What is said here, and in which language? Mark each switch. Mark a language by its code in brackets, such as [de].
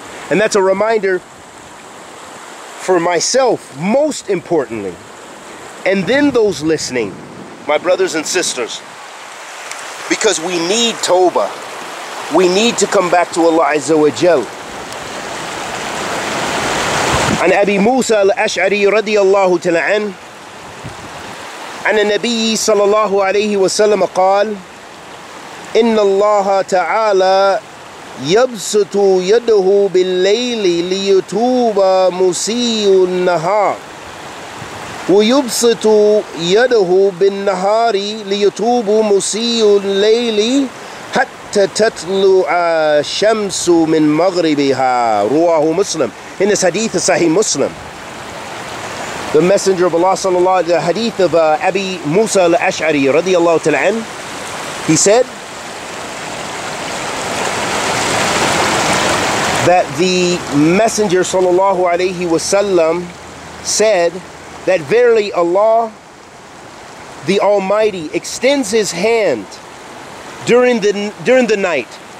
[en] And that's a reminder for myself, most importantly. And then those listening, my brothers and sisters, because we need tawbah. We need to come back to Allah Azza wa Jal. [ar] عن أبي موسى الأشعري رضي الله تعالى عنه عن النبي صلى الله عليه وسلم قال إن الله تعالى يبسط يده بالليل ليتوب مسيء النهار ويبسط يده بالنهار ليتوب مسيء الليل حتى تطلع الشمس من مغربها رواه مسلم. [en] In this hadith of Sahih Muslim, the Messenger of Allah sallallahu alaihi wasallam, the hadith of Abi Musa al-Ash'ari radiallahu ta'ala an, he said that the Messenger sallallahu alaihi wasallam said that verily Allah the Almighty extends his hand during the night